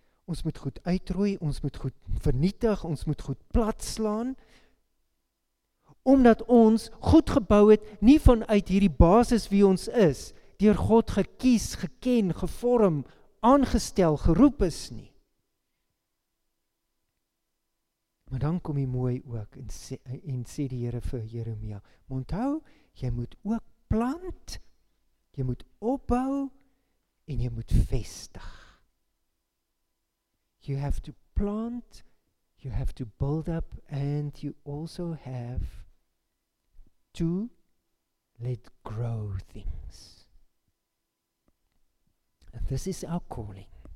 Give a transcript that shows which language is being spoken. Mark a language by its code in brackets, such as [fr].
[af] Ons moet goed uitroei, ons moet goed vernietig, ons moet goed platslaan, omdat ons goed gebou het, nie vanuit hierdie basis wie ons is, deur God gekies, geken, gevorm, aangestel, geroep is nie. Maar dan kom hy mooi ook en sê die Here vir Jeremia, onthou, jy moet ook plant, jy moet opbou en jy moet vestig. [en] You have to plant, you have to build up, and you also have to let grow things. And this is our calling.